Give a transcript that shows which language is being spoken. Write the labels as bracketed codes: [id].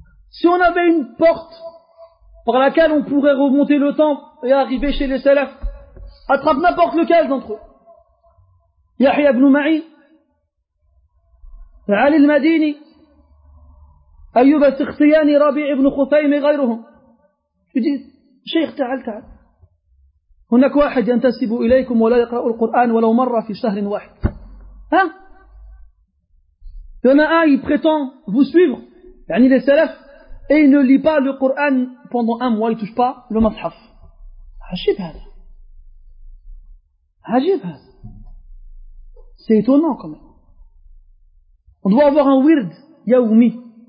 [fr] Si on avait une porte par laquelle on pourrait remonter le temps et arriver chez les salafs, attrape n'importe lequel d'entre eux, Yahya ibn Ma'in, Ali al-Madini, [ar] أيوب السختياني ربيع بن خثيم غيرهم. يجي شيخ تعال تعال هناك واحد ينتسب إليكم ولا يقرأ القرآن ولو مرة في شهر واحد. ها هنا أي [fr] prétend vous suivre يعني les سلف et il ne lit pas le Coran pendant un mois, il touche pas le mashaf. [ar] عجيب هذا عجيب هذا. [fr] C'est étonnant quand même. On doit avoir un wird yaoumi.